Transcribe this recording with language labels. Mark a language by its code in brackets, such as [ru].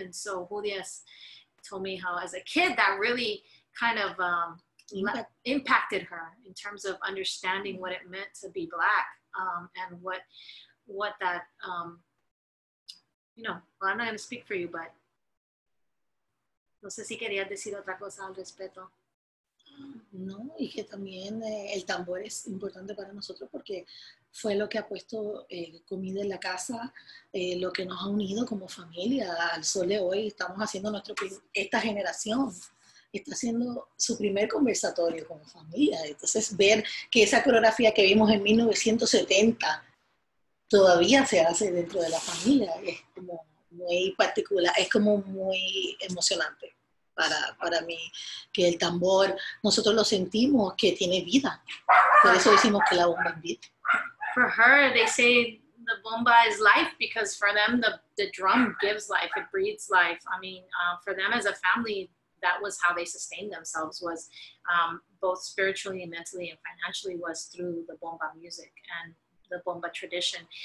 [en] And so Julius told me how as a kid that really kind of impacted her in terms of understanding what it meant to be Black, and what that, you know, well, I'm not going to speak for you, but no sé si querías decir otra cosa al respecto. [es] No, y que también el tambor es importante para nosotros porque fue lo que ha puesto comida en la casa, lo que nos ha unido como familia. Al sol de hoy estamos haciendo nuestro, esta generación está haciendo su primer conversatorio como familia. Entonces ver que esa coreografía que vimos en 1970 todavía se hace dentro de la familia es como muy particular, es como muy emocionante para mí, que el tambor, nosotros lo sentimos que tiene vida. Por eso decimos que la bomba es vida. [en] For her, they say the bomba is life because for them, the drum gives life, it breeds life. I mean, for them as a family, that was how they sustained themselves, was both spiritually and mentally and financially, was through the bomba music and the bomba tradition.